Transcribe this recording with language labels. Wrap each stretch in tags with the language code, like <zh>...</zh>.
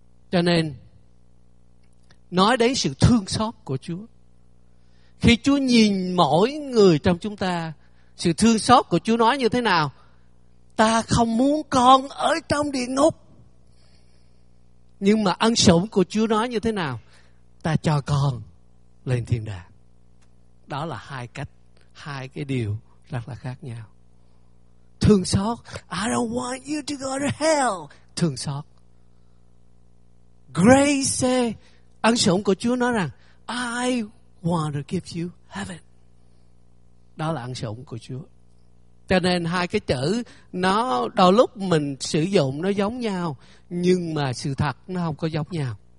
<vi>Cho nên nói đến sự thương xót của Chúa, khi Chúa nhìn mỗi người trong chúng ta, sự thương xót của Chúa nói như thế nào? Ta không muốn con ở trong địa ngục. Nhưng mà ân sủng của Chúa nói như thế nào? Ta cho con lên thiên đàng. Đó là hai cách, hai cái điều rất là khác nhau. Thương xót,</vi> <en>I don't want you to go to hell.</en> <vi>Thương xót.</vi> <en>Grace,</en> <vi>ân sủng của Chúa nói rằng</vi> <en>I want to give you heaven.</en> <vi>Đó là ân sủng của Chúa. Cho nên hai cái chữ nó đôi lúc mình sử dụng nó giống nhau, nhưng mà sự thật nó không có giống nhau.</vi>